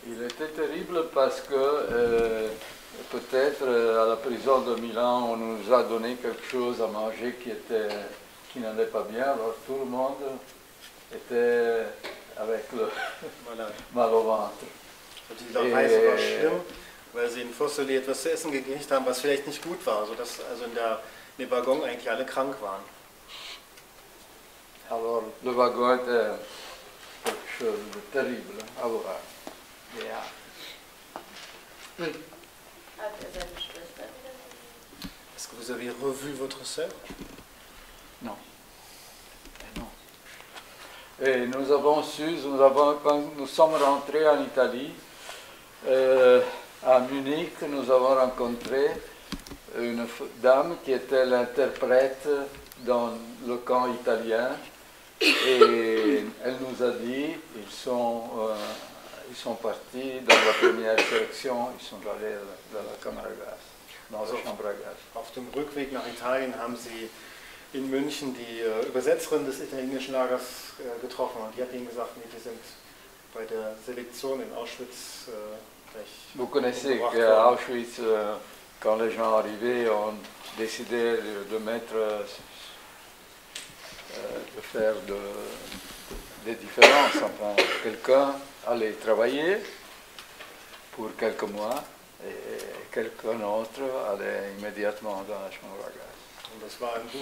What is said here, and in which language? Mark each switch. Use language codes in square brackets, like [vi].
[fr] Il était terrible parce que peut-être à la prison de Milan on nous a donné quelque chose à manger qui n'allait pas bien. Alors tout le monde était avec le mal au ventre. [de] Und die Reise war schlimm. Weil sie in Fossoli etwas zu essen gekriegt haben, was vielleicht nicht gut war, so dass also in dem Waggon eigentlich alle krank waren. [fr] Alors, le wagon était quelque chose de terrible. Alors, [de] ja. Hat er seine Schwester? [fr] Est-ce que vous avez revu votre sœur? Non. Non. Et nous avons su, quand nous sommes rentrés en Italie. À Munich, nous avons rencontré une dame qui était l'interprète dans le camp italien et elle nous a dit ils sont partis dans la première section, ils sont allés dans la Kamera Gas, dans la chambre à gaz. [de] Auf dem Rückweg nach Italien haben sie in München die Übersetzerin des italienischen Lagers getroffen und die hat ihnen gesagt, nee, die sind bei der Selektion in Auschwitz. [fr] Vous connaissez qu'à Auschwitz, quand les gens arrivaient, ont décidé de mettre, de faire des différences. Enfin, quelqu'un allait travailler pour quelques mois et quelqu'un autre allait immédiatement dans la chambre à gaz.